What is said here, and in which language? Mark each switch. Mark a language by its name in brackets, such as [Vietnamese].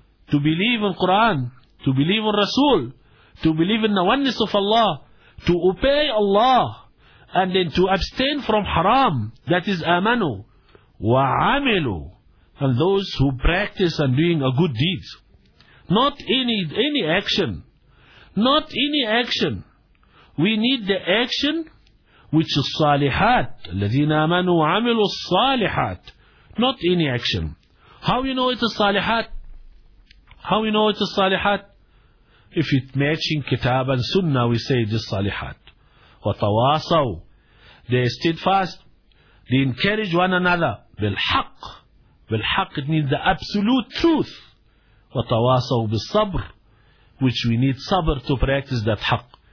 [English] To believe in Quran, to believe in Rasul, to believe in the oneness of Allah, to obey Allah, and then to abstain from haram, that is amanu, wa amilu, and those who practice and doing a good deeds. Not any action. Not any action. We need the action which is salihat. [Arabic] الذين آمنوا وعملوا الصالحات. [English] Not any action. How you know it is salihat? How you know it is salihat? If it matching kitab and sunnah, we say it is salihat. [Arabic] وتواصوا. [English] They are steadfast. They encourage one another. [Arabic] بالحق. بالحق, [English] it means the absolute truth. [Arabic] وتواصوا بالصبر, [English] which we need sabr to practice that haqq.